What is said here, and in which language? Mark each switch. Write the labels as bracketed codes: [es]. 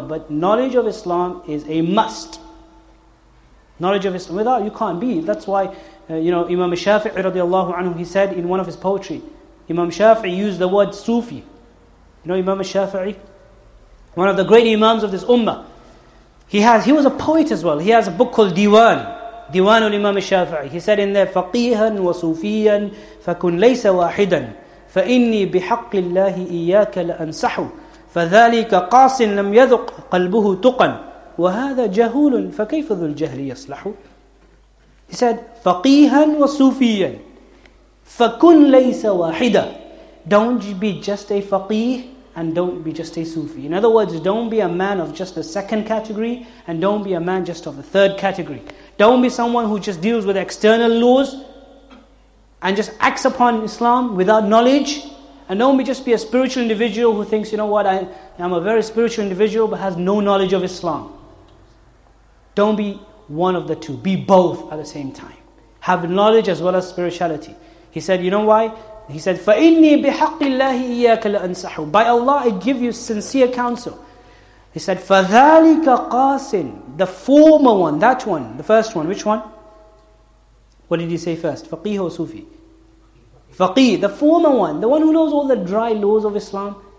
[en] But knowledge of Islam is a must. Knowledge of Islam. Without, you can't be. That's why, Imam Shafi'i radiallahu anhu, he said in one of his poetry, Imam Shafi'i used the word Sufi. Imam Shafi'i? One of the great Imams of this Ummah. He was a poet as well. He has a book called Diwan. Diwan al-Imam Shafi'i. [ar] He said in there, فَقِيهًا وَصُوفِيًا فَكُنْ لَيْسَ وَاحِدًا فَإِنِّي بِحَقِّ اللَّهِ إِيَّاكَ لَأَنْسَحُ فَذَلِكَ قَاسٍ لَمْ يَذُقْ قَلْبُهُ تُقًا وَهَذَا جَهُولٌ فَكَيْفَ ذُو الْجَهْلِ يَصْلَحُ. He said, فَقِيهًا وَصُوفِيًا فَكُنْ لَيْسَ وَاحِدًا. [en] Don't be just a faqih and don't be just a Sufi. In other words, don't be a man of just the second category and don't be a man just of the third category. Don't be someone who just deals with external laws and just acts upon Islam without knowledge. And don't be just be a spiritual individual who thinks, I'm a very spiritual individual but has no knowledge of Islam. Don't be one of the two. Be both at the same time. Have knowledge as well as spirituality. He said, you know why? [ar] He said, فَإِنِّي بِحَقِّ اللَّهِ إِيَّاكَ لَأَنْسَحُ. [en] By Allah, I give you sincere counsel. He said, [ar] فَذَلِكَ قَاسٍ. [en] The former one, that one, the first one, which one? What did he say first? Faqih or Sufi? Faqih, the former one, the one who knows all the dry laws of Islam.